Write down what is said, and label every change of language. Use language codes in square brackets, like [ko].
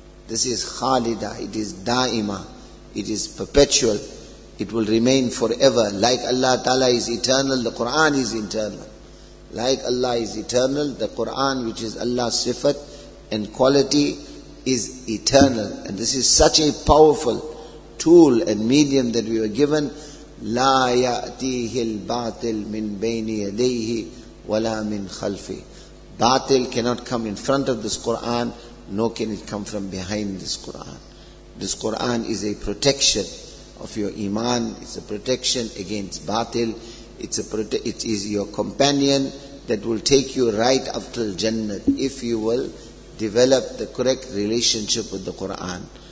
[en] This is khalida, it is daima, it is perpetual, it will remain forever. Like Allah Ta'ala is eternal, the Quran is eternal. Like Allah is eternal, the Quran, which is Allah's sifat and quality, is eternal. And this is such a powerful tool and medium that we were given. [ar] لا يأتيه الباطل من بين يديه ولا من خلفه. [en] Batil cannot come in front of this Quran, nor can it come from behind this Quran. This Quran is a protection of your iman. It's a protection against batil. It is your companion that will take you right up till Jannah if you will develop the correct relationship with the Quran.